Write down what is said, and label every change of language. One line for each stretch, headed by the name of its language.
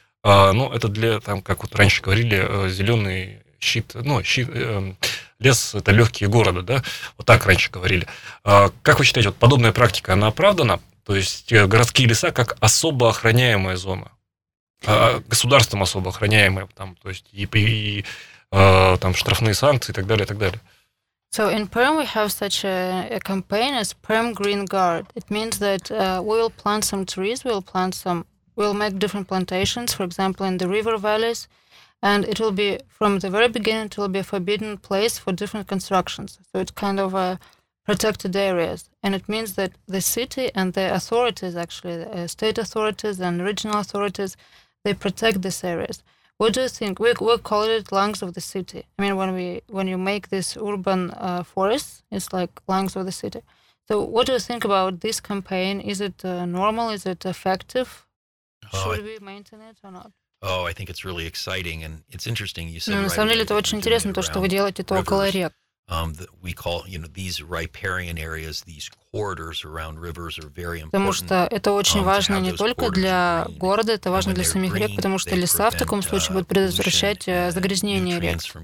Russian: Ну, это для, там, как вот раньше говорили, зеленый щит, ну, щит, лес – это легкие города, да? Вот так раньше говорили. Как вы считаете, вот подобная практика, она оправдана? То есть городские леса как особо охраняемая зона, государством особо охраняемая, там, то есть и там, штрафные санкции и так далее, и так далее.
English: So in Perm we have such a campaign as Perm Green Guard. It means that we will plant some trees, we'll make different plantations, for example in the river valleys, and it will be from the very beginning it will be a forbidden place for different constructions. So it's kind of a protected areas, and it means that the city and the authorities, actually the state authorities and regional authorities, they protect these areas. What do you think? We call it lungs of the city. I mean, when you make this urban forest, it's like lungs of the city. So what do you think about this campaign? Is it normal? Is it effective? Should we maintain it or not? Oh, I think it's really exciting and it's interesting. You said
Russian: на самом деле, это очень интересно, то, что вы делаете, то около рек.
English: We call, you know, these riparian areas, these corridors around rivers are very important.
Russian: Потому что это очень важно не только для города, это важно для самих рек, потому что леса в таком случае будут предотвращать загрязнение рек.